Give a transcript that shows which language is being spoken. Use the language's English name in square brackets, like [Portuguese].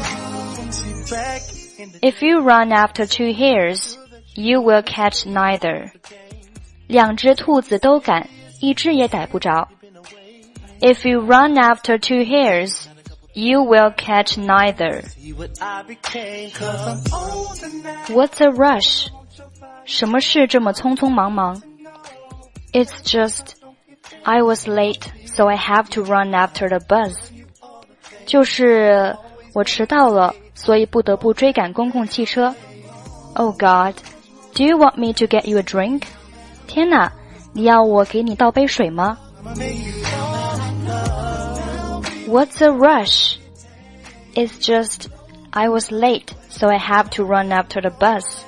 [English] If you run after two hares, you will catch neither. [Chinese] 两只兔子都赶，一只也逮不着。 [English] If you run after two hares, you will catch neither. What's a rush? [Chinese] 什么事这么匆匆忙忙? [English] It's just... I was late, so I have to run after the bus. [Chinese] 就是我迟到了，所以不得不追赶公共汽车。 [English] Oh God, do you want me to get you a drink? [Chinese] 天哪，你要我给你倒杯水吗 ？ [English] What's a rush? It's just I was late, so I have to run after the bus.